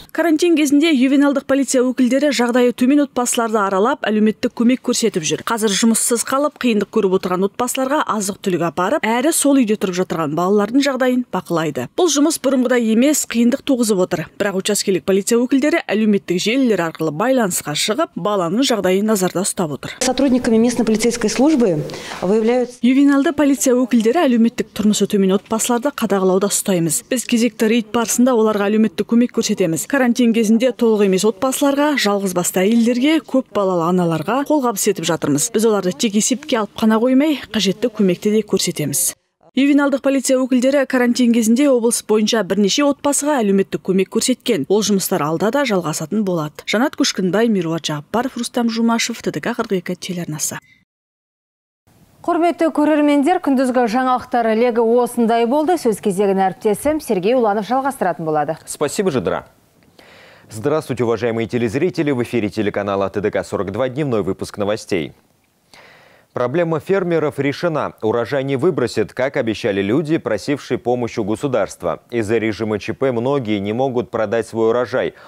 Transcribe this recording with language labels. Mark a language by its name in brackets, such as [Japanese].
[Kazakh] Карантин кезінде ювеналдық полиция өкілдері жағдайы төмен отбасыларды аралап, әлеметтік көмек көрсетіп жүр. Қазір жұмыссыз қалып, қиындық көріп отырған отбасыларға азық түлік апарып, әрі сол үйде тұрып жатырған балалардың жағдайын бақылайды. Бұл жұмыс бұрынғыдай емес, қиындық туғызып отыр. Бірақ учаскелік полиция өкілдері әлеметтік желілер арқылы байланысқа шығып, баланың жағдайын назарда ұстап отыр. [Russian] Сотрудниками местной полицейской службы выявляются. [Kazakh] Ювеналды полиция өкілдері әлеметтік тұрмысы төмен отбасыларды қадағалауда ұстаймыз. Біз кезекті рейд барысында оларға әлеметтік көмек көрсетеміз. Карантин кезінде толық емес отбасыларға, жалғыз басты әйелдерге, көп балалы аналарға қолғабыс етіп жатырмыз. Біз оларды тек есепке алып қана қоймай, қажетті көмекті де көрсетеміз. Ювеналдық полиция өкілдері карантин кезінде облыс бойынша бірнеше отбасыға әлеметтік көмек көрсеткен. Ол жұмыстар алда да жалғасатын болады. Жанат Күшкінбай, Мируат Жаппаров, Рустам Жумашев, ТДК 42 телеарнасы. Құрметті көрермендер, күндізгі жаңалықтары легі осындай болды. Сөз кезегін әріптесім Сергей Уланов жалғастыратын болады. [Russian] Спасибо, Жадыра. Здравствуйте, уважаемые телезрители. В эфире телеканала ТДК 42. Дневной выпуск новостей. Проблема фермеров решена. Урожай не выбросит, как обещали люди, просившие помощь у государства. Из-за режима ЧП многие не могут продать свой урожай.